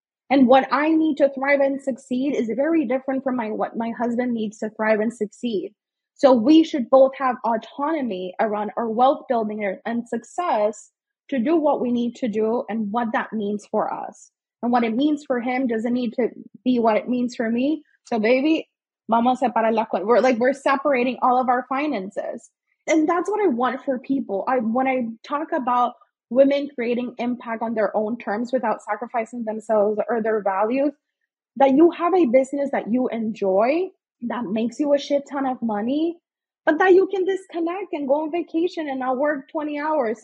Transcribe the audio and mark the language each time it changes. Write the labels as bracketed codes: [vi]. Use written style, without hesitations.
[en] And what I need to thrive and succeed is very different from what my husband needs to thrive and succeed. So we should both have autonomy around our wealth building and success to do what we need to do and what that means for us. And what it means for him doesn't need to be what it means for me. So baby, [es] vamos a separar la cuenta. [en] We're separating all of our finances. And that's what I want for people. When I talk about women creating impact on their own terms without sacrificing themselves or their values, that you have a business that you enjoy, that makes you a shit ton of money, but that you can disconnect and go on vacation and not work 20 hours.